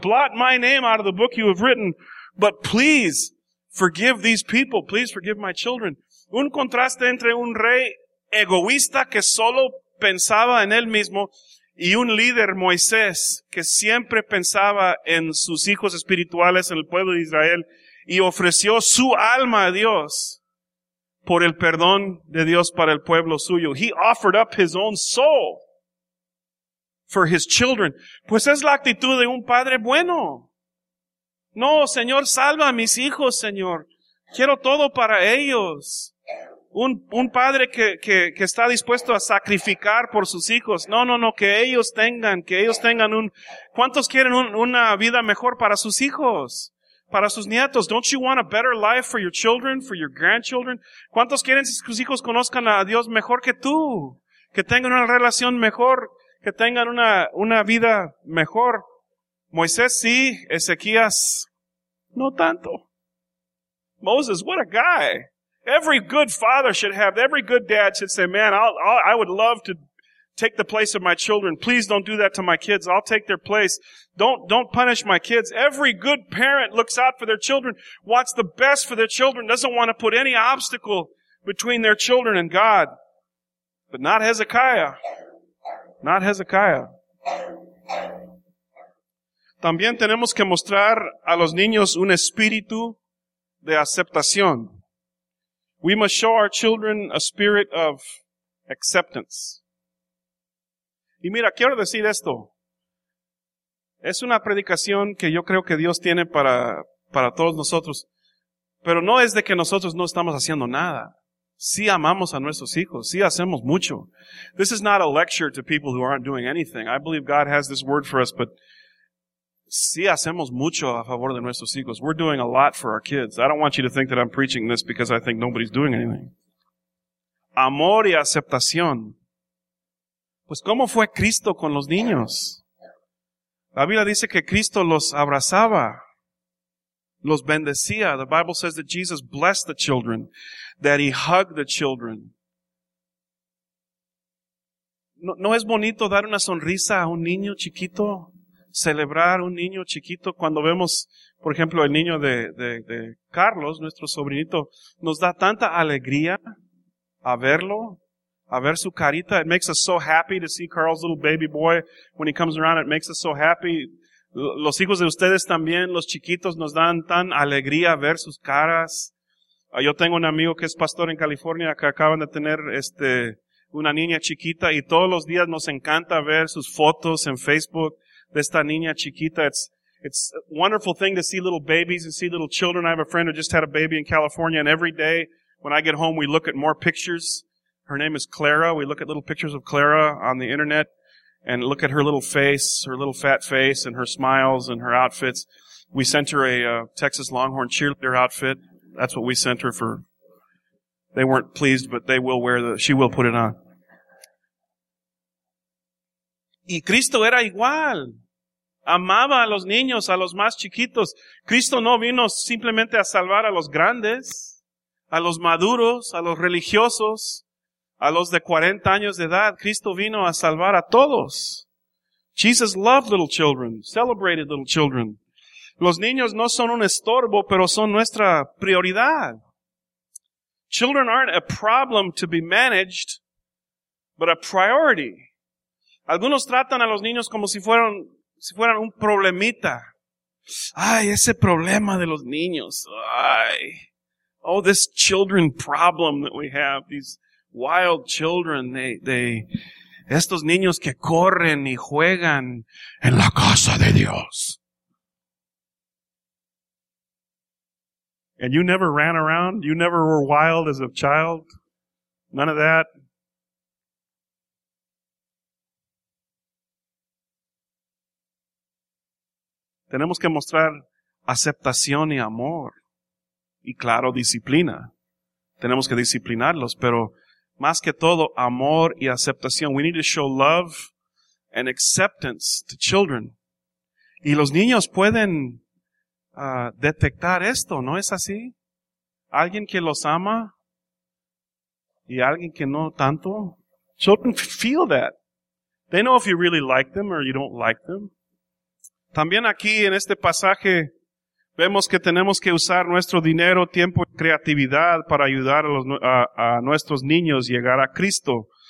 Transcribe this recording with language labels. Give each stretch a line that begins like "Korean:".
English: Blot my name out of the book you have written, but please forgive these people. Please forgive my children.
Spanish: Un contraste entre un rey egoísta que solo pensaba en él mismo y un líder, Moisés, que siempre pensaba en sus hijos espirituales, en el pueblo de Israel, y ofreció su alma a Dios por el perdón de Dios para el pueblo suyo.
English: He offered up his own soul for his children.
Spanish: Pues es la actitud de un padre bueno. No, Señor, salva a mis hijos, Señor. Quiero todo para ellos. Un padre que está dispuesto a sacrificar por sus hijos. No, que ellos tengan un... ¿Cuántos quieren una vida mejor para sus hijos? Para sus nietos.
English: Don't you want a better life for your children, for your grandchildren?
Spanish: ¿Cuántos quieren que sus hijos conozcan a Dios mejor que tú? Que tengan una relación mejor, que tengan una vida mejor. Moisés, sí. Ezequías, no tanto.
English: Moses, what a guy. Every good father should have, every good dad should say, man, I would love to take the place of my children. Please don't do that to my kids. I'll take their place. Don't punish my kids. Every good parent looks out for their children, wants the best for their children, doesn't want to put any obstacle between their children and God. But not Hezekiah. Not Hezekiah.
Spanish: También tenemos que mostrar a los niños un espíritu de aceptación.
English: We must show our children a spirit of acceptance.
Spanish: Y mira, quiero decir esto. Es una predicación que yo creo que Dios tiene para todos nosotros. Pero no es de que nosotros no estamos haciendo nada. Sí amamos a nuestros hijos. Sí hacemos mucho.
English: This is not a lecture to people who aren't doing anything. I believe God has this word for us, but
Spanish: sí hacemos mucho a favor de nuestros hijos.
English: We're doing a lot for our kids. I don't want you to think that I'm preaching this because I think nobody's doing anything.
Spanish: Amor y aceptación. Pues, ¿cómo fue Cristo con los niños? La Biblia dice que Cristo los abrazaba, los bendecía.
English: The Bible says that Jesus blessed the children, that he hugged the children.
Spanish: ¿No es bonito dar una sonrisa a un niño chiquito? Celebrar un niño chiquito cuando vemos, por ejemplo, el niño de Carlos, nuestro sobrinito, nos da tanta alegría a verlo. A ver su carita.
English: It makes us so happy to see Carl's little baby boy when he comes around. It makes us so happy.
Spanish: Los hijos de ustedes también, los chiquitos, nos dan tan alegría ver sus caras. Yo tengo un amigo que es pastor en California que acaban de tener una niña chiquita y todos los días nos encanta ver sus fotos en Facebook de esta niña chiquita.
English: It's a wonderful thing to see little babies and see little children. I have a friend who just had a baby in California and every day when I get home we look at more pictures. Her name is Clara. We look at little pictures of Clara on the internet and look at her little face, her little fat face and her smiles and her outfits. We sent her a Texas Longhorn cheerleader outfit. That's what we sent her for. They weren't pleased, but they will wear she will put it on.
Spanish: Y Cristo era igual. Amaba a los niños, a los más chiquitos. Cristo no vino simplemente a salvar a los grandes, a los maduros, a los religiosos. A los de 40 años de edad, Cristo vino a salvar a todos.
English: Jesus loved little children, celebrated little children.
Spanish: Los niños no son un estorbo, pero son nuestra prioridad.
English: Children aren't a problem to be managed, but a priority.
Spanish: Algunos tratan a los niños como si fueran un problemita. Ay, ese problema de los niños. Ay.
English: Oh, this children problem that we have, these wild children,
Spanish: estos niños que corren y juegan en la casa de Dios.
English: And you never ran around? You never were wild as a child? None of that?
Spanish: Tenemos que mostrar aceptación y amor. Y claro, disciplina. Tenemos que disciplinarlos, pero más que todo, amor y aceptación.
English: We need to show love and acceptance to children.
Spanish: Y los niños pueden detectar esto, ¿no es así? Alguien que los ama y alguien que no tanto.
English: Children feel that. They know if you really like them or you don't like them.
Spanish: También aquí en este pasaje vemos que tenemos que usar nuestro dinero, tiempo y creatividad para ayudar a nuestros niños a llegar a Cristo.